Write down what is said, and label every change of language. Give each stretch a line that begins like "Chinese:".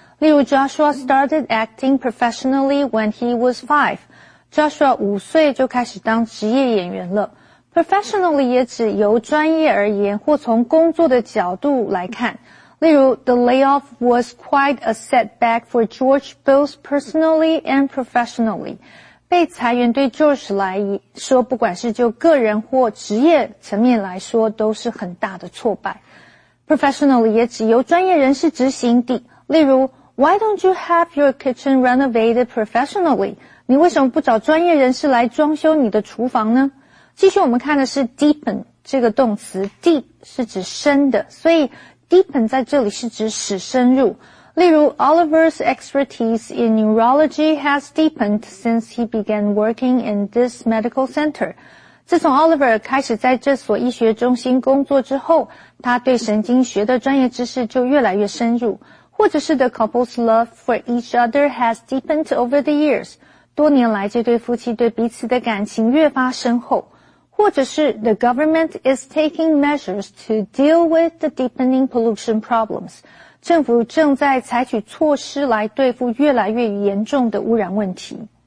Chinese: 例如
English: ，Joshua started acting professionally when he was 5.
Chinese: Joshua 五岁就开始当职业演员了。Professionally 也指由专业而言，或从工作的角度来看。例如
English: ,the layoff was quite a setback for George both personally and professionally.
Chinese: 被裁员对 George 来说不管是就个人或职业层面来说都是很大的挫败。 Professionally 也指由专业人士执行的。例如
English: ,why don't you have your kitchen renovated professionally?
Chinese: 你为什么不找专业人士来装修你的厨房呢？继续我们看的是 deepen 这个动词 ,deep 是指深的，所以Deepen 在这里是指使深入。
English: 例如 ,Oliver's expertise in neurology has deepened since he began working in this medical center.
Chinese: 自从 Oliver 开始在这所医学中心工作之后，他对神经学的专业知识就越来越深入。或者是
English: ,the couple's love for each other has deepened over the years.
Chinese: 多年来这对夫妻对彼此的感情越发深厚。或者是
English: ,the government is taking measures to deal with the deepening pollution problems.
Chinese: 政府正在采取措施来对付越来越严重的污染问题。